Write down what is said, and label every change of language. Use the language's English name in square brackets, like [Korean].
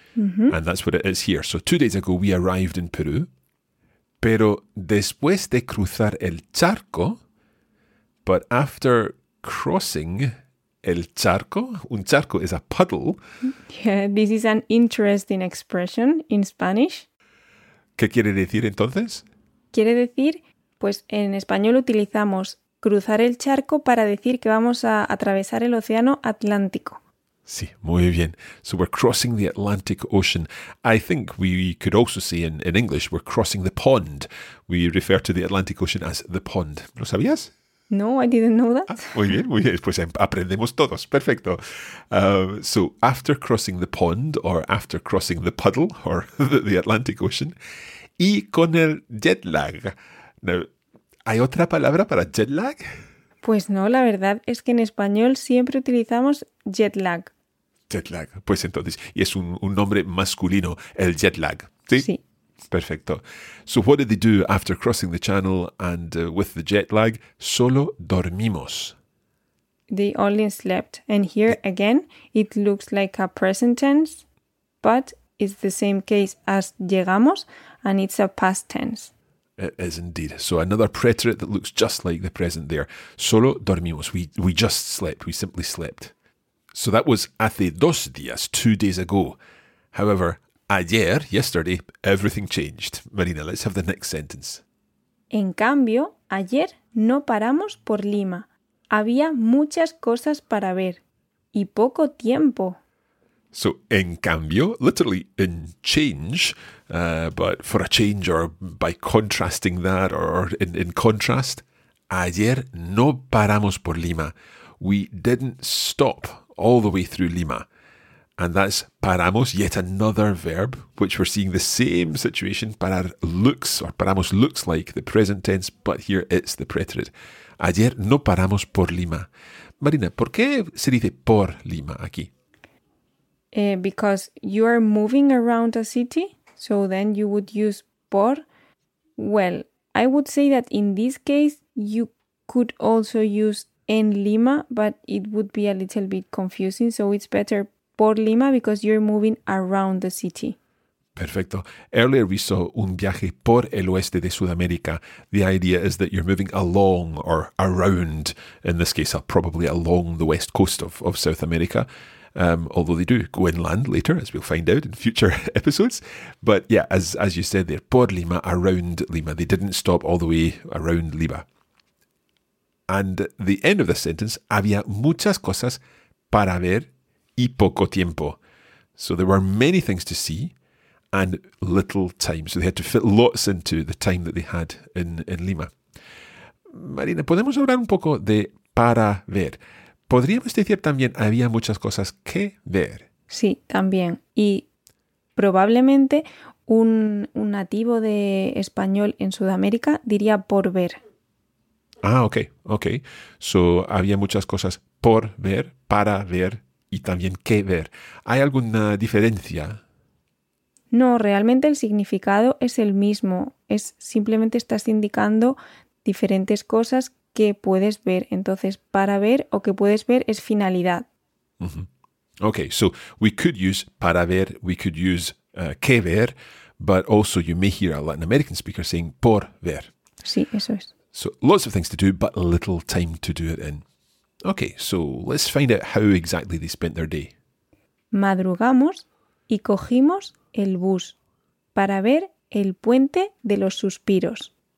[English] And that's what it is here. So, 2 days ago, we arrived in Peru. [Spanish] Pero después de cruzar el charco, [English] but after crossing [Spanish] el charco, un charco is a puddle. [English] Yeah, this is an interesting expression in Spanish. [Spanish] ¿Qué quiere decir entonces? Quiere decir, pues en español utilizamos... cruzar el charco para decir que vamos a atravesar el océano Atlántico. Sí, muy bien. [English] So we're crossing the Atlantic Ocean. I think we could also say in English, we're crossing the pond. We refer to the Atlantic Ocean as the pond. [Spanish] ¿Lo sabías? [English] No, I didn't know that. [Spanish] Muy bien, muy bien. Pues aprendemos todos. Perfecto. [English] So after crossing the pond or after crossing the puddle or the Atlantic Ocean, [Spanish] y con el jet lag. Now, ¿hay otra palabra para jet lag? Pues no, la verdad es que en español siempre utilizamos jet lag. Jet lag, pues entonces, y es un nombre masculino, el jet lag, ¿sí? Sí. Perfecto. [English] So what did they do after crossing the channel and with the jet lag? [Spanish] Solo dormimos. [English] They only slept. And here again, it looks like a present tense, but it's the same case as llegamos and it's a past tense. It is indeed. So another preterite that looks just like the present there. [Spanish] Solo dormimos. [English] We just slept. We simply slept. So that was [Spanish] hace dos días, [English] 2 days ago. However, ayer, yesterday, everything changed. Marina, let's have the next sentence. [Spanish] En cambio, ayer no paramos por Lima. Había muchas cosas para ver y poco tiempo. [English] So, [Spanish] en cambio, [English] literally in change, but for a change or by contrasting that or in contrast, [Spanish] ayer no paramos por Lima. [English] We didn't stop all the way through Lima. And that's paramos, yet another verb, which we're seeing the same situation, parar looks, or paramos looks like the present tense, but here it's the preterite. [Spanish] Ayer no paramos por Lima. Marina, ¿por qué se dice por Lima aquí? [English] Because you are moving around a city, so then you would use por. Well, I would say that in this case, you could also use en Lima, but it would be a little bit confusing, so it's better por Lima, because you're moving around the city. [Spanish] Perfecto. [English] Earlier we saw [Spanish] un viaje por el oeste de Sudamérica. [English] The idea is that you're moving along or around, in this case, probably along the west coast of South America. Although they do go inland later, as we'll find out in future episodes. But yeah, as you said there, por Lima, around Lima. They didn't stop all the way around Lima. And the end of the sentence, [Spanish] había muchas cosas para ver y poco tiempo. [English] So there were many things to see and little time. So they had to fit lots into the time that they had in Lima. [Spanish] Marina, ¿podemos hablar un poco de para ver? ¿Podríamos decir también había muchas cosas que ver? Sí, también. Y probablemente un nativo de español en Sudamérica diría por ver. Ah, ok. So había muchas cosas por ver, para ver. Y también qué ver. ¿Hay alguna diferencia? No, realmente el significado es el mismo. Es simplemente estás indicando diferentes cosas que puedes ver. Entonces, para ver o que puedes ver es finalidad. Mm-hmm. [English] Ok, so we could use para ver, we could use qué ver, but also you may hear a Latin American speaker saying por ver. [Spanish] Sí, eso es. [English] So lots of things to do, but little time to do it in. Okay, so let's find out how exactly they spent their day. [Spanish] Madrugamos y cogimos el bus para ver el puente de los suspiros.